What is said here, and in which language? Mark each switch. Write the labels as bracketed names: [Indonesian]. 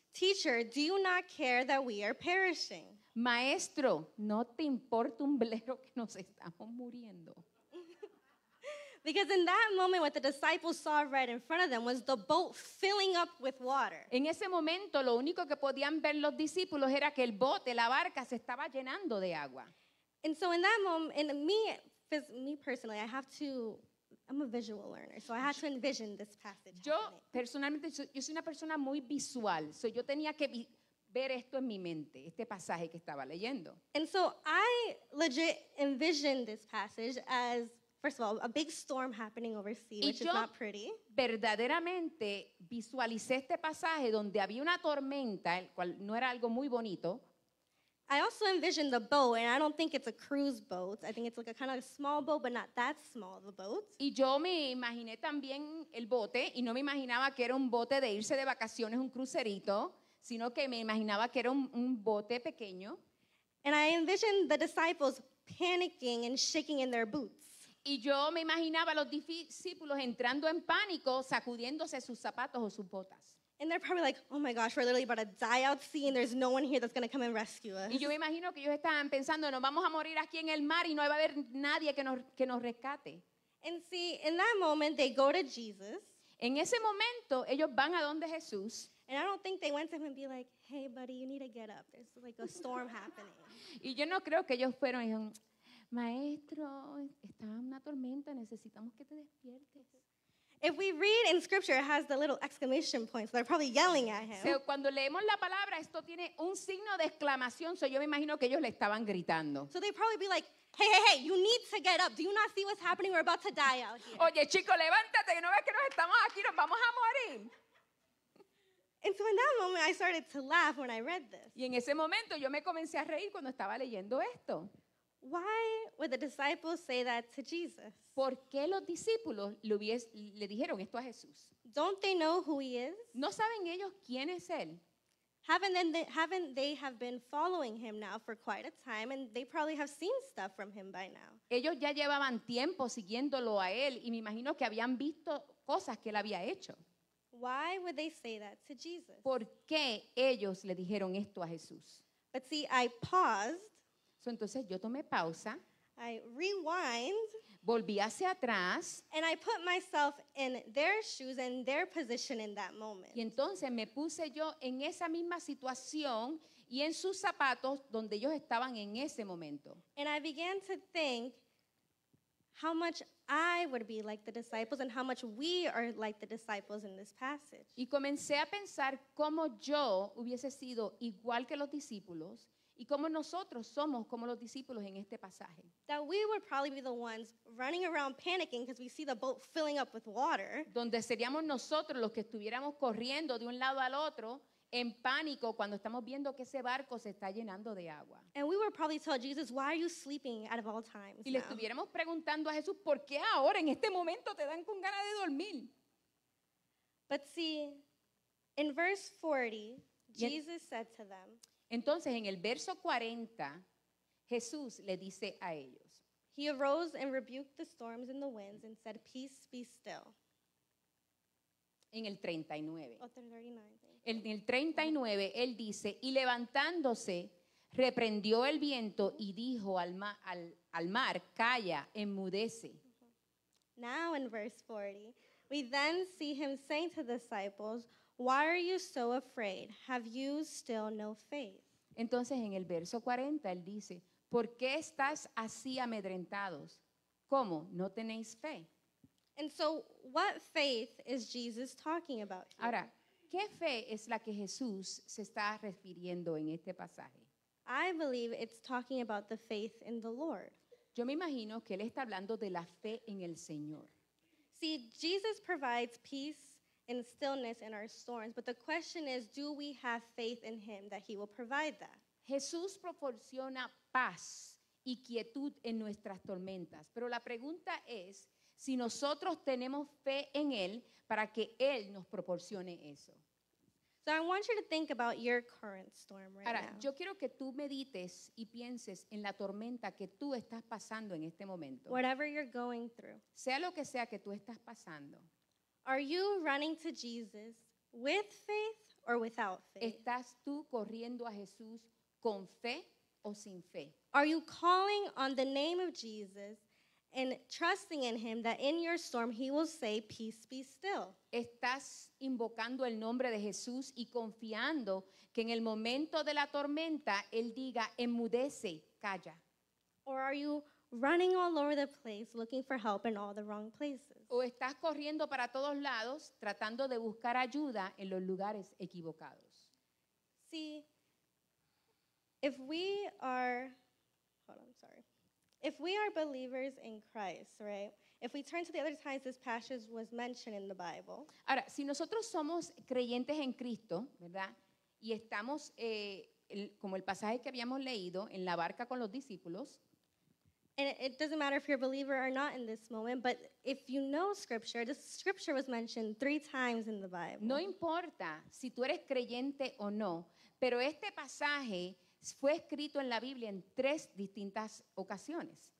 [English] teacher, do you not care that we are perishing? [Spanish] Maestro, ¿no te importa un blero que nos estamos muriendo? [English] Because in that moment, what the disciples saw right in front of them was the boat filling up with water. [Spanish] En ese momento, lo único que podían ver los discípulos era que el bote, la barca, se estaba llenando de agua. [English] And so in that moment, and me personally, I'm a visual learner, so I had to envision this passage. [Spanish] Yo, personalmente, yo soy una persona muy visual, so yo tenía que ver esto en mi mente, este pasaje que estaba leyendo. [English] And so I legit envisioned this passage as, first of all, a big storm happening over sea, which is not pretty. [Spanish] Verdaderamente visualicé este pasaje donde había una tormenta, el cual no era algo muy bonito. [English] I also envisioned the boat, and I don't think it's a cruise boat. I think it's like a kind of a small boat, but not that small, the boat. [Spanish] Y yo me imaginé también el bote, y no me imaginaba que era un bote de irse de vacaciones, un crucerito. Sino que me imaginaba que era un bote pequeño. [English] And I envisioned the disciples panicking and shaking in their boots. [Spanish] Y yo me imaginaba a los discípulos entrando en pánico, sacudiéndose sus zapatos o sus botas. [English] And they're probably like, oh my gosh, we're literally about to die out sea and there's no one here that's going to come and rescue us. [Spanish] Y yo me imagino que ellos estaban pensando, nos vamos a morir aquí en el mar y no va a haber nadie que nos rescate. [English] And see, in that moment, they go to Jesus. [Spanish] En ese momento, ellos van a donde Jesús. [English] And I don't think they went to him and be like, hey, buddy, you need to get up. There's like a storm happening. [Spanish] Y yo no creo que ellos fueron y dijeron, maestro, está una tormenta, necesitamos que te despiertes. [English] If we read in scripture, it has the little exclamation point, so they're probably yelling at him. [Spanish] So, cuando leemos la palabra, esto tiene un signo de exclamación, so yo me imagino que ellos le estaban gritando. [English] So they'd probably be like, hey, hey, hey, you need to get up. Do you not see what's happening? We're about to die out here. [Spanish] Oye, chico, levántate, que no ves que nos estamos aquí, nos vamos a morir. [English] And so in that moment, I started to laugh when I read this. [Spanish] Y en ese momento, yo me comencé a reír cuando estaba leyendo esto. [English] Why would the disciples say that to Jesus? [Spanish] ¿Por qué los discípulos le dijeron esto a Jesús? [English] Don't they know who he is? [Spanish] ¿No saben ellos quién es él? [English] Haven't they have been following him now for quite a time and they probably have seen stuff from him by now. [Spanish] Ellos ya llevaban tiempo siguiéndolo a él y me imagino que habían visto cosas que él había hecho. [English] Why would they say that to Jesus? [Spanish] ¿Por qué ellos le dijeron esto a Jesús? [English] But see, I paused. [Spanish] So, entonces yo tomé pausa. [English] I rewind. [Spanish] Volví hacia atrás. [English] And I put myself in their shoes and their position in that moment. [Spanish] Y entonces me puse yo en esa misma situación y en sus zapatos donde ellos estaban en ese momento. [English] And I began to think how much I would be like the disciples and how much we are like the disciples in this passage. [Spanish] Y comencé a pensar cómo yo hubiese sido igual que los discípulos. Y como nosotros somos como los discípulos en este pasaje. [English] That we would probably be the ones running around panicking because we see the boat filling up with water. [Spanish] Donde seríamos nosotros los que estuviéramos corriendo de un lado al otro en pánico cuando estamos viendo que ese barco se está llenando de agua. [English] And we would probably tell Jesus, why are you sleeping out of all times now? [Spanish] Y le estuviéramos preguntando a Jesús, ¿por qué ahora en este momento te dan con ganas de dormir? [English] But see, in verse 40, Jesus said to them, [Spanish] entonces, en el verso 40, Jesús le dice a ellos. [English] He arose and rebuked the storms and the winds and said, peace be still. [Spanish] En el 39. En el 39, él dice, y levantándose, reprendió el viento y dijo al mar, calla, enmudece. [English] Now in verse 40, we then see him saying to the disciples, why are you so afraid? Have you still no faith? [Spanish] Entonces, en el verso 40, él dice, ¿por qué estás así amedrentados? ¿Cómo? ¿No tenéis fe? [English] And so, what faith is Jesus talking about here? [Spanish] Ahora, ¿qué fe es la que Jesús se está refiriendo en este pasaje? [English] I believe it's talking about the faith in the Lord. [Spanish] Yo me imagino que él está hablando de la fe en el Señor. [English] See, Jesus provides peace in stillness in our storms, but the question is, do we have faith in him that he will provide that? [Spanish] Jesús proporciona paz y quietud en nuestras tormentas, pero la pregunta es si nosotros tenemos fe en él para que él nos proporcione eso. [English] So I want you to think about your current storm right [Spanish] ahora, [English] now. [Spanish] Ahora, yo quiero que tú medites y pienses en la tormenta que tú estás pasando en este momento. [English] Whatever you're going through. [Spanish] Sea lo que sea que tú estás pasando. [English] Are you running to Jesus with faith or without faith? [Spanish] ¿Estás tú corriendo a Jesús con fe o sin fe? [English] Are you calling on the name of Jesus and trusting in him that in your storm he will say, peace be still? [Spanish] ¿Estás invocando el nombre de Jesús y confiando que en el momento de la tormenta él diga, enmudece, calla? [English] Or are you running all over the place looking for help in all the wrong places? [Spanish] ¿O estás corriendo para todos lados tratando de buscar ayuda en los lugares equivocados? [English] See, if we are, hold on, sorry. If we are believers in Christ, right? If we turn to the other times this passage was mentioned in the Bible. [Spanish] Ahora, si nosotros somos creyentes en Cristo, ¿verdad? Y estamos, como el pasaje que habíamos leído, en la barca con los discípulos. [English] And it doesn't matter if you're a believer or not in this moment, but if you know scripture, the scripture was mentioned 3 times in the Bible. [Spanish] No importa si tú eres creyente o no, pero este pasaje fue escrito en la Biblia en tres distintas ocasiones.